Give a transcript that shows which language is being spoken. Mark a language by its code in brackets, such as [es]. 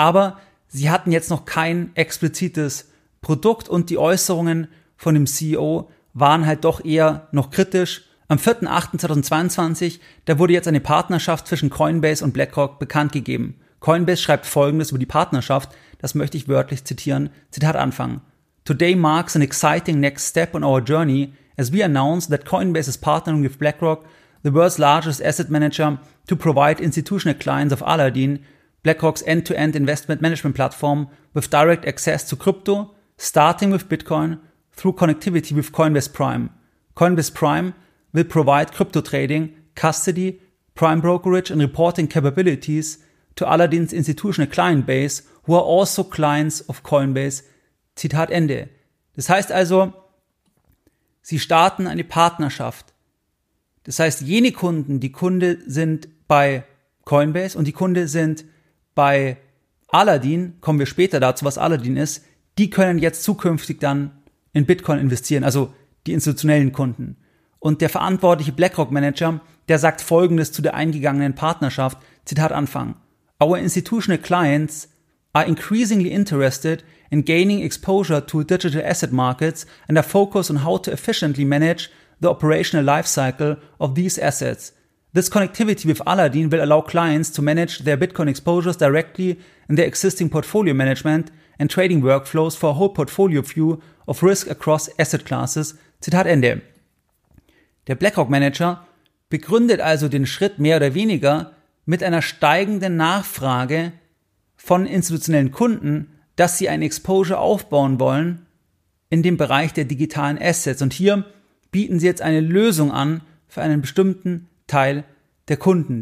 [de] Aber sie hatten jetzt noch kein explizites Produkt und die Äußerungen von dem CEO waren halt doch eher noch kritisch. Am 4.8.2022, da wurde jetzt eine Partnerschaft zwischen Coinbase und BlackRock bekannt gegeben. Coinbase schreibt Folgendes über die Partnerschaft, das möchte ich wörtlich zitieren, Zitat Anfang. [en] Today marks an exciting next step on our journey as we announce that Coinbase is partnering with BlackRock, the world's largest asset manager, to provide institutional clients of Aladdin, BlackRock's end-to-end investment management platform, with direct access to crypto, starting with Bitcoin, through connectivity with Coinbase Prime. Coinbase Prime will provide crypto trading, custody, prime brokerage and reporting capabilities to Aladdin's institutional client base, who are also clients of Coinbase. [de] Zitat Ende. Das heißt also, sie starten eine Partnerschaft. Das heißt, jene Kunden, die Kunde sind bei Coinbase und die Kunde sind bei Aladdin, kommen wir später dazu, was Aladdin ist, die können jetzt zukünftig dann in Bitcoin investieren, also die institutionellen Kunden. Und der verantwortliche BlackRock-Manager, der sagt Folgendes zu der eingegangenen Partnerschaft, Zitat Anfang. [en] Our institutional clients are increasingly interested in gaining exposure to digital asset markets and are focused on how to efficiently manage the operational lifecycle of these assets. This connectivity with Aladdin will allow clients to manage their Bitcoin exposures directly in their existing portfolio management and trading workflows for a whole portfolio view of risk across asset classes. [de] Zitat Ende. Der BlackRock Manager begründet also den Schritt mehr oder weniger mit einer steigenden Nachfrage von institutionellen Kunden, dass sie ein Exposure aufbauen wollen in dem Bereich der digitalen Assets. Und hier bieten sie jetzt eine Lösung an für einen bestimmten Teil der Kunden.